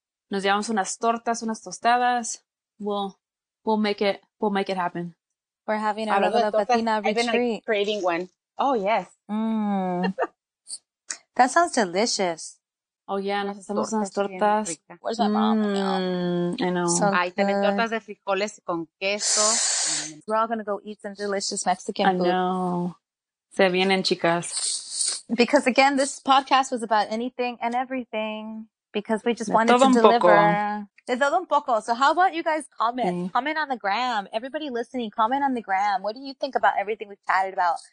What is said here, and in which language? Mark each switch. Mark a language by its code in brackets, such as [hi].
[es] Nos llevamos unas tortas, unas tostadas. [en] We'll make it happen. We're having a Level Up Latina retreat. I've been like, craving one. Oh, yes. That sounds delicious. Oh, yeah, [es] nos hacemos unas tortas. [en] Where's my mom? I know. [es] So ay, tienen tortas de frijoles con queso. [en] We're all going to go eat some delicious Mexican food. I know. [es] Se vienen, chicas. [en] Because, again, this podcast was about anything and everything. Because we just wanted to deliver. [es] De todo un poco. [en] So how about you guys comment? Mm. Comment on the gram. Everybody listening, comment on the gram. What do you think about everything we've chatted about?